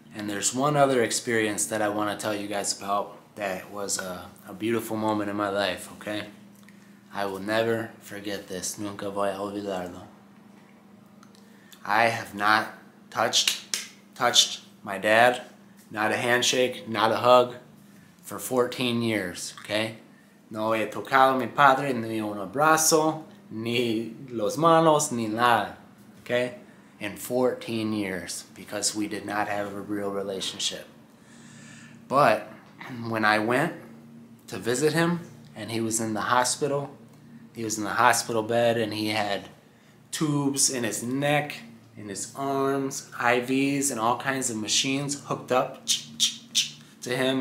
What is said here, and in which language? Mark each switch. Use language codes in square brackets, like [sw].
[en] And there's one other experience that I want to tell you guys about that was a beautiful moment in my life, okay? I will never forget this. [es] Nunca voy a olvidarlo. [en] I have not touched my dad, not a handshake, not a hug, for 14 years, okay? [es] No he tocado a mi padre ni un abrazo, ni los manos, ni nada, okay? [en] In 14 years, because we did not have a real relationship. But when I went to visit him, and he was in the hospital, bed, and he had tubes in his neck, in his arms, IVs, and all kinds of machines hooked up to him.